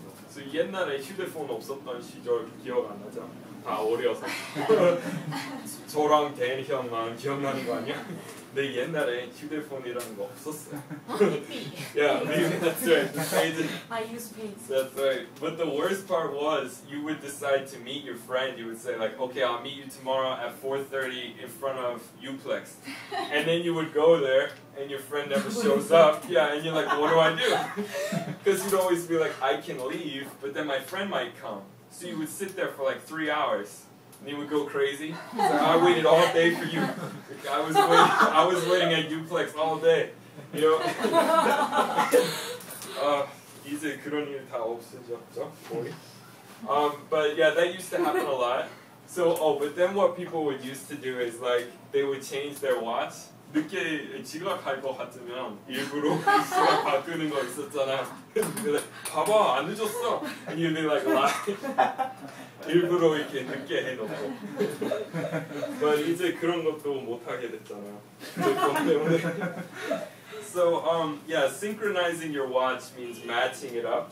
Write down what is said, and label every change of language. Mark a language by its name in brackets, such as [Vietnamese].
[Korean] So 옛날에 휴대폰 없었던 시절 기억 안 나죠? 다 어려서. 저랑 대현 형만 기억나는 거 아니야? 내 옛날에 휴대폰이라는 거 없었어요. [English] Yeah, that's right. I use pins. That's right. But the worst part was you would decide to meet your friend. You would say like, okay, I'll meet you tomorrow at 4:30 in front of Uplex. And then you would go there. And your friend never shows up. Yeah, and you're like, what do I do? Because you'd always be like, I can leave, but then my friend might come. So you would sit there for like 3 hours, and you would go crazy. Like, I waited all day for you. Like, I was waiting at Uplex all day. You know? [Korean] 이제 그런 일 다 없어졌죠, 거의. [English] But yeah, that used to happen a lot. So, oh, but then what people would used to do is like, they would change their watch. [Korean] 늦게 지각할 것 같으면 일부러 시간 바꾸는 거 있었잖아. 근데 봐봐 안 늦었어. [English] And you'd be like lie. [Korean] 일부러 이렇게 늦게 해놓고. 근데 이제 그런 것도 못하게 됐잖아. 돈 때문에. [English] So yeah, synchronizing your watch means matching it up.